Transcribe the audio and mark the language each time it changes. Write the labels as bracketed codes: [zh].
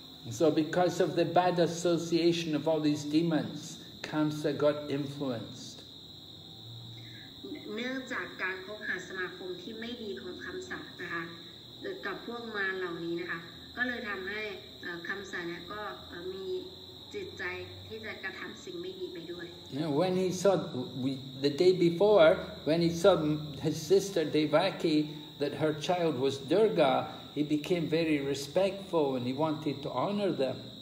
[en] So because of the bad association of all these demons, Kamsa got influenced. [th] เนื่องจากการคบหาสมาคมที่ไม่ดีของคำสัตนะคะกับพวกมารเหล่านี้นะคะก็เลยทำให้คำสัตเนี่ยก็มีจิตใจที่จะกระทำสิ่งไม่ดีไปด้วย [en] When he saw the day before, when he saw his sister Devaki that her child was Durga, he became very respectful and he wanted to honor them.